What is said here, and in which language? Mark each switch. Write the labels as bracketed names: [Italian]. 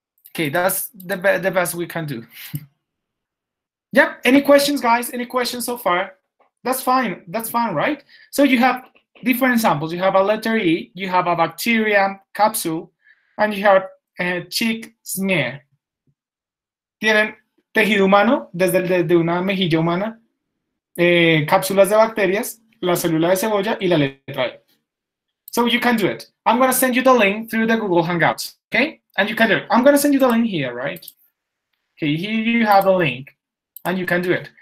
[English] Okay, that's the best we can do. Yep, any questions, guys? Any questions so far? That's fine, right? So you have different samples. You have a letter E, you have a bacterium capsule, and you have a chick smear. [Spanish] Tienen tejido humano, desde una mejilla humana, cápsulas de bacterias, la célula de cebolla, y la letra E. [English] So you can do it. I'm gonna send you the link through the Google Hangouts, okay? And you can do it. I'm gonna send you the link here, right? Okay, here you have a link, and you can do it.